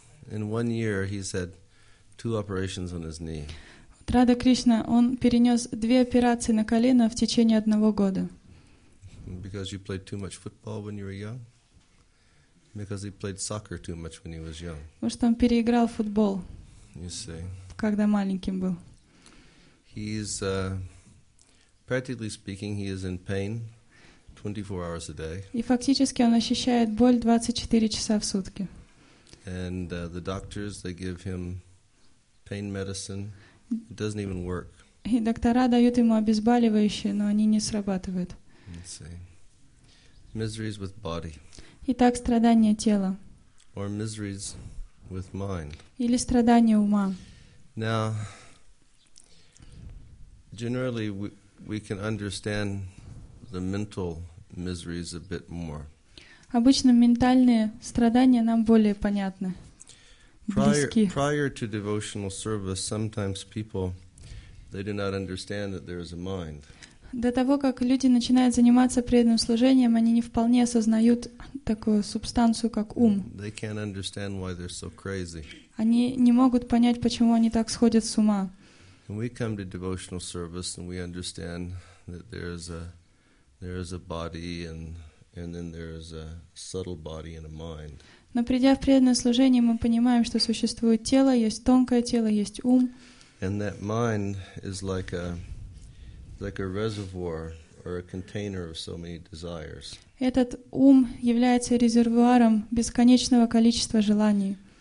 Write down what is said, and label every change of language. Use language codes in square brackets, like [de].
[en] In 1 year, he's had two operations on his knee. [ru] Radha Krishna, он перенес две операции на колено в течение одного года. [en] Because you played too much football when you were young? Because he played soccer too much when he was young. [ru] Потому что он переиграл футбол, когда маленьким был. [en] He's, practically speaking, he is in pain 24 hours a day. [ru] И фактически он ощущает боль 24 часа в сутки. [en] And the doctors, they give him pain medicine. It doesn't even work. [ru] И доктора дают ему обезболивающие, но они не срабатывают. [en] Let's see. Miseries with body. [ru] Итак, страдания тела. [en] Or miseries with mind. [ru] Или страдания ума. [en] Now, generally, we can understand the mental miseries a bit more. [ru] Обычно ментальные страдания нам более понятны, близки. [en] Prior to devotional service, sometimes people, they do not understand that there is a mind. [ru] До того, как люди начинают заниматься преданным служением, они не вполне осознают такую субстанцию, как ум. [en] They can't understand why they're so crazy. [ru] Они не могут понять, почему они так сходят с ума. [en] When we come to devotional service and we understand that there is a body and then there is a subtle body and a mind. [ru] Но придя в преданное служение, мы понимаем, что существует тело, есть тонкое тело, есть ум. [en] And that mind is like a reservoir or a container of so many desires. [ru] Этот ум является резервуаром бесконечного количества желаний.